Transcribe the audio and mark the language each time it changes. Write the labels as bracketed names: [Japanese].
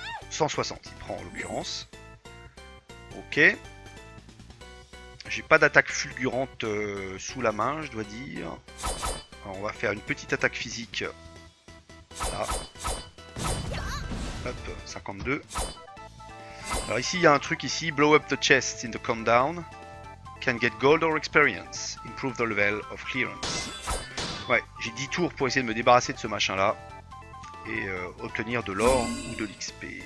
[French] 160, il prend en l'occurrence. Ok. J'ai pas d'attaque fulgurante sous la main, je dois dire. Alors, on va faire une petite attaque physique. Là. Hop, 52. Alors ici, il y a un truc ici. [English] Blow up the chest in the countdown. Can get gold or experience. Improve the level of clearance. [French] Ouais, j'ai 10 tours pour essayer de me débarrasser de ce machin-là. Et obtenir de l'or ou de l'XP.